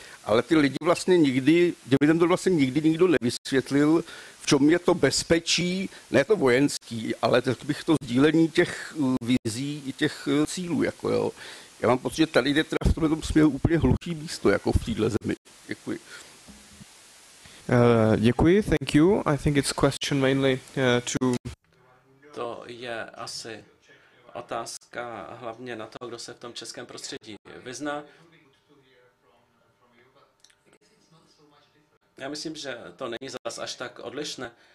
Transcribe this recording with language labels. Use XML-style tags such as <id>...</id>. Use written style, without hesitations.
<cs>ale ty lidi vlastně nikdy, dividendu vlastně nikdy nikdo nevysvětlil, v čem je to bezpečí, ne to vojenský, ale tak bych to sdílení těch vizí i těch cílů, jako jo. Já mám pocit, že tady jde teda v tomto směru úplně hluché místo, jako v téhle zemi. Děkuji. Děkuji,</cs> <en>thank you. I think it's question mainly to...</en> <cs>To je asi otázka hlavně na toho, kdo se v tom českém prostředí vyzná. Já myslím, že to není zas až tak odlišné.</cs>